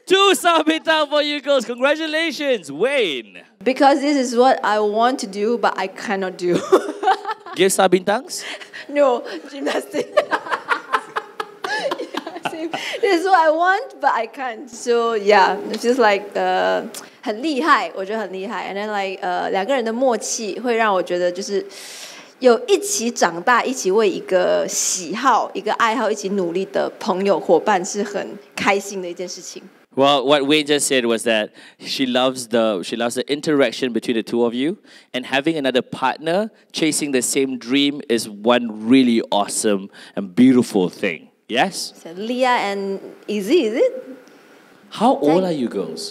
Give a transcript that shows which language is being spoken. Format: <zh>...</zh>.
<en>2 sah bintang for you girls. Congratulations, Wayne. Because this is what I want to do, but I cannot do. Give sah bintangs? No, gymnastics. Yeah, this is what I want, but I can't. So yeah, it's just like</en> <zh>很厉害, 我觉得很厉害.</zh> <en>And then like</en> <zh>两个人的默契会让我觉得就是有一起长大，一起为一个喜好、一个爱好、一起努力的朋友伙伴是很开心的一件事情.</zh> <en>Well, what Wayne just said was that she loves the interaction between the two of you, and having another partner chasing the same dream is one really awesome and beautiful thing. Yes? So Leia and Izzy, is it? How old are you girls?</en>